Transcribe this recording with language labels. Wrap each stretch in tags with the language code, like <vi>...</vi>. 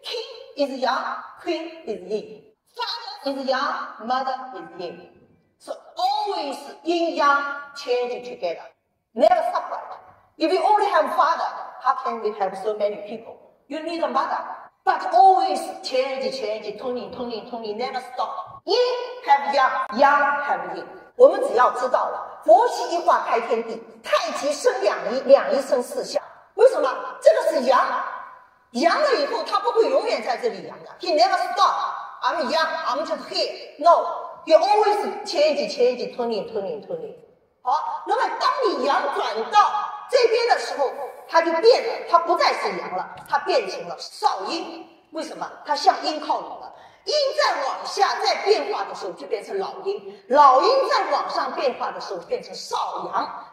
<en>King is young, queen is yin. Father is young, mother is yin. So always yin yang change together. Never separate. If you only have father,How can we have so many people? You need a mother. But always change, change, turning, turning, turning, never stop. Yin have yang, yang have yin.</en> <zh>我们只要知道了，佛心一画开天地，太极生两仪，两仪生四象。为什么？这个是阳，阳了以后，它不会永远在这里阳的。</zh> <en>He never stop. I'm yang, I'm just here. No, you always change, change, turning, turning, turning.</en> <zh>好，那么当你阳转到这边的时候，它就变了，它不再是阳了，它变成了少阴。为什么？它向阴靠拢了。阴在往下在变化的时候就变成老阴，老阴在往上变化的时候变成少阳。</zh>